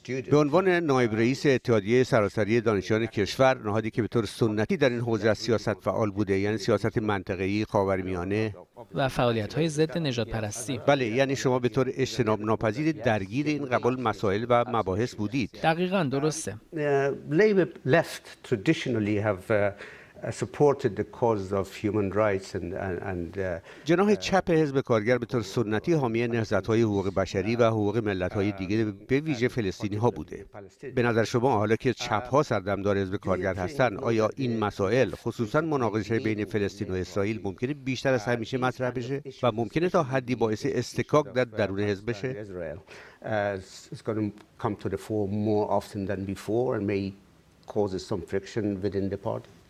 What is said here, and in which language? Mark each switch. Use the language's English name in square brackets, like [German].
[Persian] به عنوان نایب رئیس اتحادیه سراسری دانشجویان کشور، نهادی که به طور سنتی در این حوزه سیاست فعال بوده، یعنی سیاست منطقه‌ای، خاورمیانه و فعالیت‌های ضد نژادپرستی. بله، یعنی شما به طور اجتناب ناپذیر درگیر این قبال مسائل و مباحث بودید. دقیقاً درسته. [English] Supported the causes of human rights and [Persian] جناح چپ حزب کارگر به طور سنتی حامی نهضت‌های حقوق بشری و حقوق ملت‌های دیگر به ویژه فلسطینی‌ها بوده. به نظر شما حالا که چپ‌ها سردمدار حزب کارگر هستند، آیا این مسائل خصوصاً مناقشه بین فلسطین و اسرائیل ممکنه بیشتر از همیشه مطرح بشه و ممکنه تا حدی باعث اصطکاک در درون حزب بشه؟ [English] It's going to come to the fore more often than before and may cause some friction within the party.